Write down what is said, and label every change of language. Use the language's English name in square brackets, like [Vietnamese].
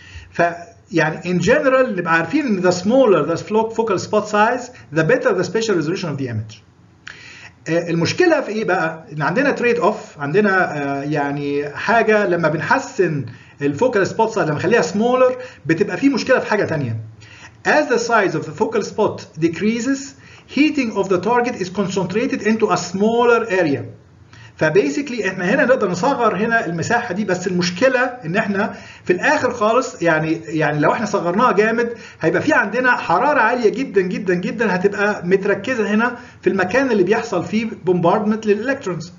[Arabic] ف يعني [English] in general [Arabic] نبقى عارفين ان [English] The smaller the focal spot size the better the spatial resolution of the image. [Arabic] المشكله في ايه بقى؟ ان عندنا تريد اوف، عندنا يعني حاجه لما بنحسن الفوكال سبوت سايز لما نخليها سمولر بتبقى في مشكله في حاجه ثانيه. [English] As the size of the focal spot decreases, heating of the target is concentrated into a smaller area. [Arabic] فبيسكلي احنا هنا نقدر نصغر هنا المساحه دي، بس المشكله ان احنا في الاخر خالص يعني لو احنا صغرناها جامد هيبقى في عندنا حراره عاليه جدا جدا جدا هتبقى متركزه هنا في المكان اللي بيحصل فيه بومباردمنت للالكترونز.